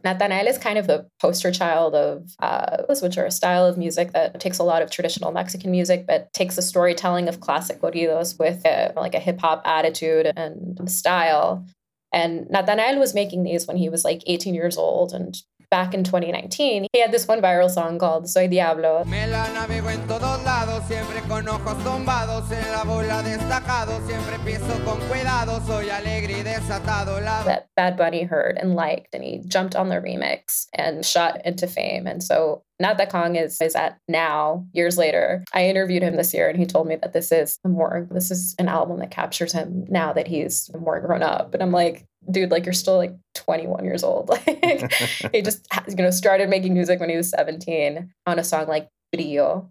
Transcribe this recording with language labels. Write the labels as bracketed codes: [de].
[en] Natanael is kind of the poster child of those, which are a style of music that takes a lot of traditional Mexican music, but takes the storytelling of classic corridos with a hip hop attitude and style. And Natanael was making these when he was like 18 years old. And back in 2019, he had this one viral song called Soy Diablo. [es] Me la navego en todos lados, siempre con ojos tumbados, en la bola destacado, siempre pienso con cuidado, soy alegre y desatado. [en] That Bad Bunny heard and liked, and he jumped on the remix and shot into fame. And so Nata Kong is at now, years later. I interviewed him this year and he told me that this is an album that captures him now that he's more grown up. And I'm like, dude, like, you're still like 21 years old. Like, he just, you know, started making music when he was 17 on a song like Brillo.